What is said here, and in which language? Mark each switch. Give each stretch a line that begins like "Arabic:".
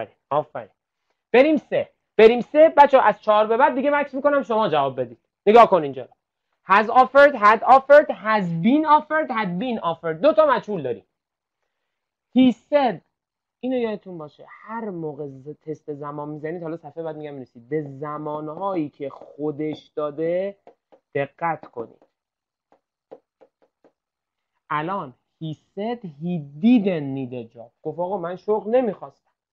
Persian: آفرین. بریم سه. بچه از چهار به بعد دیگه مکس میکنم شما جواب بدید. نگاه کن اینجا:
English: has offered, had offered, has been offered, had been offered.
Persian: دو تا مجهول داریم. He said، اینو یادتون باشه هر موقع تست زمان میزنید، حالا صفحه بعد میگم نیستید، به زمانهایی که خودش داده دقت کنید. الان
English: he said he didn't need a job،
Persian: گفت آقا من شغل نمیخواستم.